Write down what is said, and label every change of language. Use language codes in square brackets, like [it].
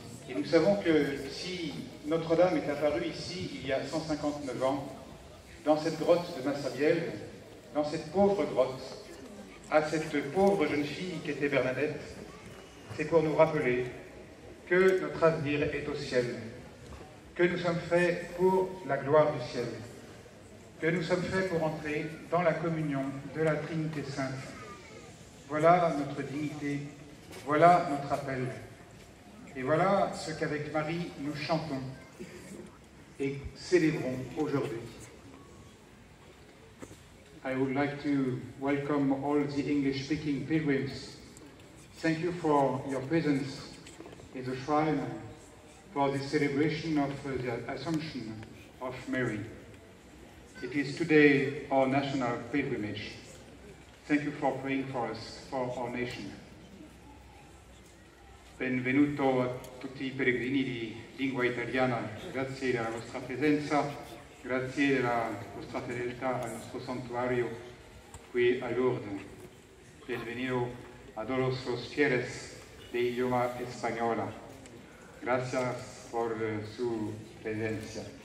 [fr] Et nous savons que si Notre-Dame est apparue ici, il y a 159 ans, dans cette grotte de Massabielle, dans cette pauvre grotte, à cette pauvre jeune fille qui était Bernadette, c'est pour nous rappeler que notre avenir est au ciel, que nous sommes faits pour la gloire du ciel, que nous sommes faits pour entrer dans la communion de la Trinité Sainte. Voilà notre dignité, voilà notre appel, et voilà ce qu'avec Marie nous chantons et célébrons aujourd'hui. [en] I would like to welcome all the English-speaking pilgrims. Thank you for your presence in the shrine for the celebration of the Assumption of Mary. It is today our national pilgrimage. Thank you for praying for us, for our nation. [it] Benvenuto a tutti i peregrini di lingua italiana. Grazie della vostra presenza, grazie della vostra fedeltà al nostro santuario qui a Lourdes. [es] Bienvenido a todos los fieles de idioma española. [it] Grazie [fr] pour sous présence.